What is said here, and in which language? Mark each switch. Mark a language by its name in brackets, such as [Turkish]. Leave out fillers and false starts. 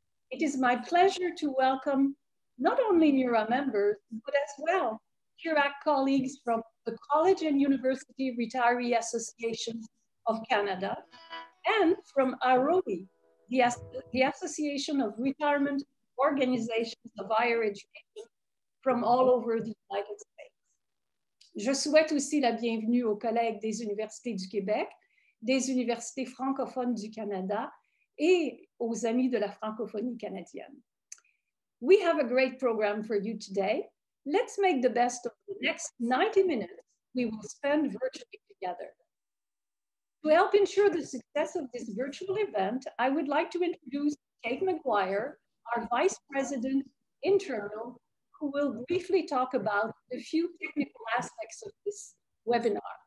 [English] It is my pleasure to welcome not only MURA members, but as well CURAC colleagues from the College and University Retiree Association of Canada and from ARUM, the Association of Retirement Organizations of Higher Education from all over the United States. [French] Je souhaite aussi la bienvenue aux collègues des Universités du Québec, des universités francophones du Canada, et aux amis de la francophonie canadienne. [English] We have a great program for you today. Let's make the best of the next 90 minutes we will spend virtually together. To help ensure the success of this virtual event, I would like to introduce Kate McGuire, our Vice President Internal, who will briefly talk about a few technical aspects of this webinar.